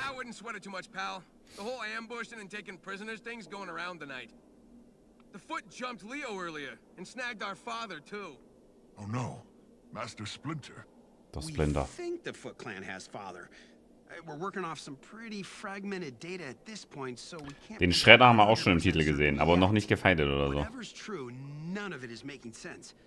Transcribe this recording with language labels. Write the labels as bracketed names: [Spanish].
[English] I wouldn't sweat it too much, pal. The whole ambushing and taking prisoners thing's going around tonight. The foot jumped Leo earlier and snagged our father too. Oh no, Master Splinter. [German] Der Splinter. [English] We think the Foot Clan has father. We're working off some pretty fragmented data at this point, so we can't. [German] Den Schredder haben wir auch schon im Titel gesehen, aber noch nicht gefeitet oder so. [English] Whatever's true, none of it is making sense.